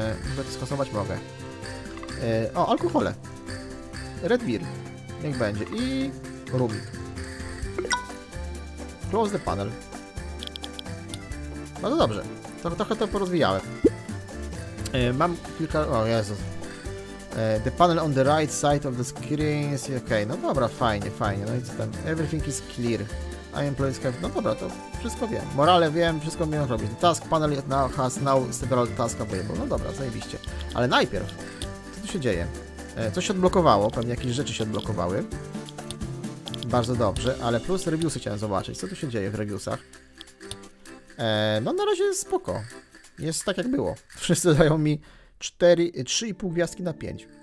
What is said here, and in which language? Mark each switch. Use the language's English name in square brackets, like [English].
[Polish] Mogę to skasować? Mogę. O, alkohole. Red beer. Niech będzie. I rumik. [English] Close the panel. [Polish] Bardzo dobrze. Trochę to porozwijałem. Mam kilka... O Jezus. [English] The panel on the right side of the screen is... [Polish] Okej, no dobra, fajnie. No i co tam? [English] Everything is clear. I employ scav... [Polish] No dobra, to wszystko wiem. Morale wiem, wszystko miałem robić. [English] The task panel has now several tasks available. [Polish] No dobra, zajebiście. Ale najpierw, co tu się dzieje? Coś się odblokowało, pewnie jakieś rzeczy się odblokowały. Bardzo dobrze, ale plus reviewsy chciałem zobaczyć. Co tu się dzieje w reviewsach? No na razie jest spoko. Jest tak jak było. Wszyscy dają mi 3,5 gwiazdki na 5.